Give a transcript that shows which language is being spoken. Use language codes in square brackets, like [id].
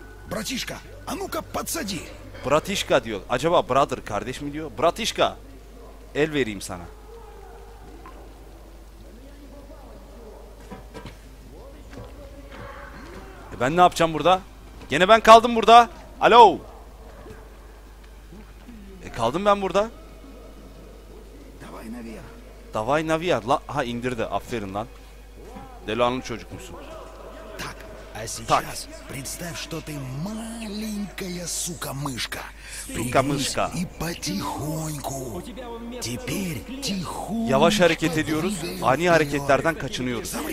[ru] Братишка, а ну-ка подсади. Братишка [tr] diyor. Acaba brother, kardeş mi diyor? [ru] Братишка. [tr] El vereyim sana. Ben ne yapacağım burada? Gene ben kaldım burada. Alo. Kaldım ben burada. [ru] Давай наверх. Давай наверх. [tr] La, ha indirdi. Aferin lan. Delanlı çocuk musun? [ru] Так. А сейчас представь, что ты маленькая сука-мышка. Сука-мышка. И потихоньку. Теперь тихонько. [tr] Yavaş hareket ediyoruz. Ani hareketlerden kaçınıyoruz.